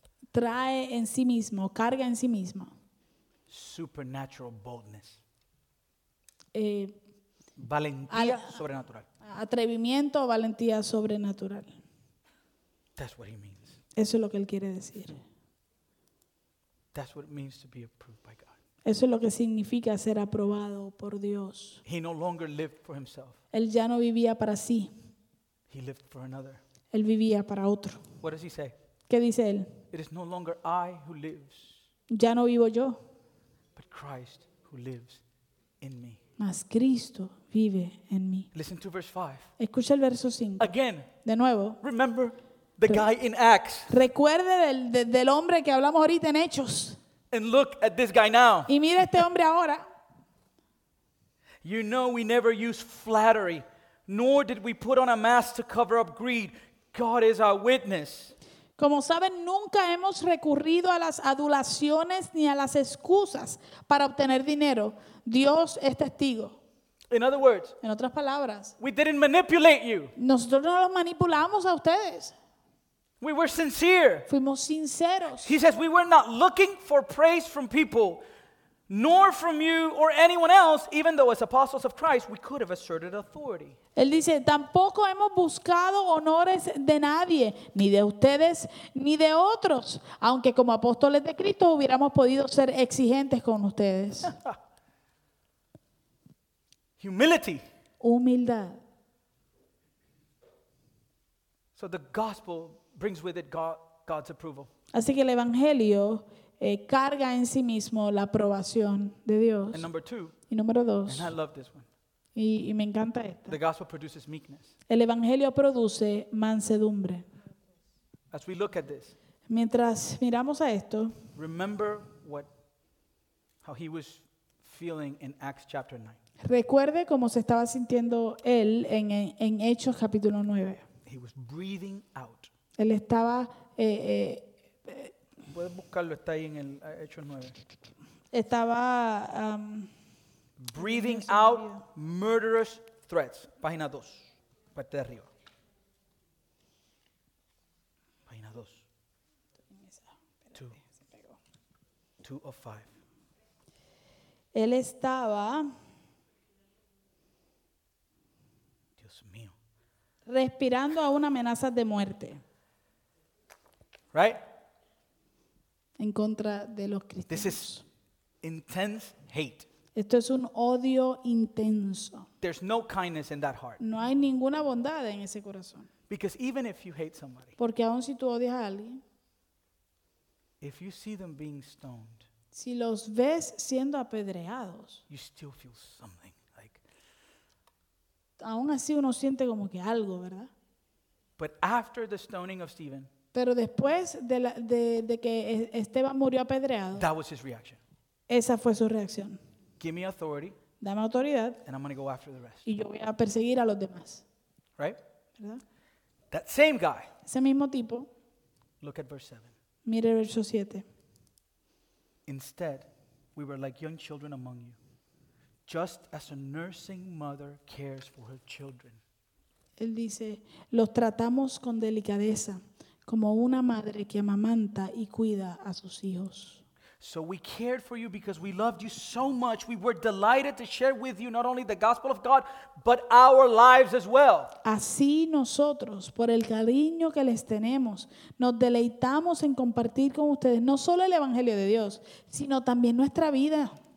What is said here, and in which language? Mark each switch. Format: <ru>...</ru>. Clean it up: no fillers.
<es>Trae en sí mismo, carga en sí mismo.</es> <en>Supernatural boldness.</en> <es>Valentía sobrenatural. Atrevimiento o valentía sobrenatural.</es> <en>That's what he means.</en> <es>Eso es lo que él quiere decir.</es> <en>That's what it means to be approved by God.</en> <es>Eso es lo que significa ser aprobado por Dios.</es> <en>He no longer lived for himself.</en> <es>Él ya no vivía para sí.</es> <en>He lived for another.</en> <es>Él vivía para otro.</es> <en>What does he say?</en> <es>¿Qué dice él?</es> <en>It is no longer I who lives.</en> <es>Ya no vivo yo.</es> <en>But Christ who lives in me.</en> <es>Mas Cristo vive en mí.</es> <en>Listen to verse 5.</en> <es>Escucha el verso 5.</es> <en>Again.</en> <es>De nuevo.</es> <en>Remember the guy in Acts.</en> <es>Recuerde del hombre que hablamos ahorita en Hechos.</es> <en>And look at this guy now.</en> <es>Y mira este hombre ahora.</es> <en>You know we never use flattery. Nor did we put on a mask to cover up greed. God is our witness.</en> <es>Como saben, nunca hemos recurrido a las adulaciones ni a las excusas para obtener dinero. Dios es testigo.</es> <en>In other words,</en> <es>en otras palabras,</es> <en>we didn't manipulate you.</en> <es>Nosotros no los manipulamos a ustedes.</es> <en>We were sincere.</en> <es>Fuimos sinceros.</es> <en>He says we were not looking for praise from people. Nor from you or anyone else, even though as apostles of Christ, we could have asserted authority.</en> <es>Él dice, tampoco hemos buscado honores de nadie, ni de ustedes, ni de otros, aunque como apóstoles de Cristo hubiéramos podido ser exigentes con ustedes.</es> <en>Humility.</en> <es>Humildad.</es> <en>So the gospel brings with it God's approval.</en> <es>Así que el evangelio carga en sí mismo la aprobación de Dios.</es> <en>And number two,</en> <es>y número dos.</es> <en>And I love this one.</en> <es>Y me encanta esta.</es> <en>The gospel produces meekness.</en> <es>El evangelio produce mansedumbre.</es> <en>As we look at this,</en> <es>mientras miramos a esto,</es> <en>remember how he was feeling in Acts chapter 9.</en> <es>Recuerde cómo se estaba sintiendo él en Hechos capítulo 9.</es> <en>He was breathing out.</en> <es>Él estaba puedes buscarlo, está ahí en el Hechos 9. Estaba</es> <en>breathing out murderous threats.</en> <es>Página 2. Parte de arriba. Página 2.</es> <en>2 of 5.</en> <es>Él estaba, Dios mío, respirando aún amenazas de muerte.</es> <en>Right?</en> <es>En contra de los cristianos.</es> <en>This is intense hate.</en> <es>Esto es un odio intenso.</es> <en>There's no kindness in that heart.</en> <es>No hay ninguna bondad en ese corazón.</es> <en>Because even if you hate somebody,</en> <es>porque aun si tú odias a alguien,</es> <en>if you see them being stoned,</en> <es>si los ves siendo apedreados,</es> <en>you still feel something, like,</en> <es>aún así uno siente como que algo, ¿verdad?</es> <en>But after the stoning of Stephen,</en> <es>pero después de que Esteban murió apedreado,</es> <en>that was his reaction.</en> <es>Esa fue su reacción.</es> <en>Give me authority,</en> <es>dame autoridad,</es> <en>and I'm gonna go after the rest.</en> <es>Y yo voy a perseguir a los demás.</es> <en>Right?</en> <es>¿Verdad?</es> <en>That same guy,</en> <es>ese mismo tipo,</es> <en>look at verse 7.</en> <es>Mire el verso 7.</es> <en>Instead, we were like young children among you, just as a nursing mother cares for her children.</en> <es>Él dice, los tratamos con delicadeza, como una madre que amamanta y cuida a sus hijos.</es> <en>So we cared for you because we loved you so much. We were delighted to share with you not only the gospel of God, but our lives as well.</en> <es>Así nosotros, por el cariño que les tenemos, nos deleitamos en compartir con ustedes no solo el evangelio de Dios, sino también nuestra vida.</es>